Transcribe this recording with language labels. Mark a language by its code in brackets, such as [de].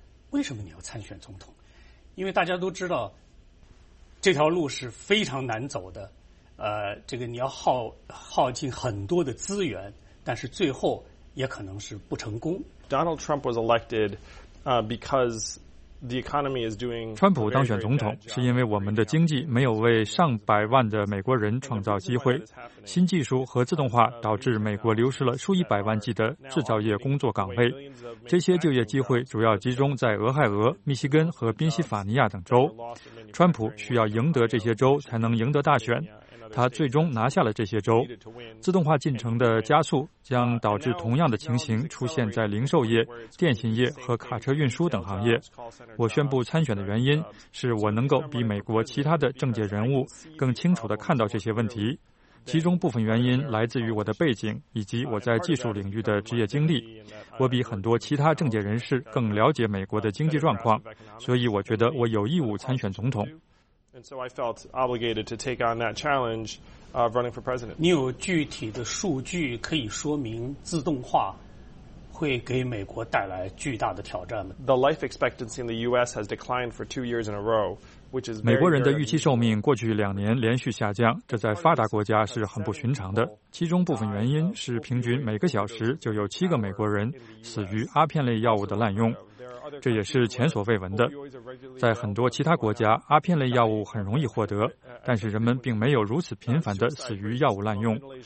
[zh] 为什么你要参选总统？因为大家都知道这条路是非常难走的，这个你要耗尽很多的资源，但是最后也可能是不成功。 [en] Donald Trump was elected because the economy is doing. [zh] 川普当选总统是因为我们的经济没有为上百万的美国人创造机会，新技术和自动化导致美国流失了数以百万计的制造业工作岗位，这些就业机会主要集中在俄亥俄、密西根和宾夕法尼亚等州。川普需要赢得这些州才能赢得大选。他最终拿下了这些州。自动化进程的加速将导致同样的情形出现在零售业、电信业和卡车运输等行业。我宣布参选的原因是我能够比美国其他的政界人物更清楚地看到这些问题。其中部分原因来自于我的背景以及我在技术领域的职业经历。我比很多其他政界人士更了解美国的经济状况，所以我觉得我有义务参选总统。 [en] And so I felt obligated to take on that challenge of running for president. [zh] 你有具体的数据可以说明自动化会给美国带来巨大的挑战吗？ [en] The life expectancy in the U.S. has declined for 2 years in a row, which is [zh] 美国人的预期寿命过去两年连续下降，这在发达国家是很不寻常的。其中部分原因是平均每个小时就有7个美国人死于阿片类药物的滥用。这也是前所未闻的。在很多其他国家，阿片类药物很容易获得，但是人们并没有如此频繁地死于药物滥用。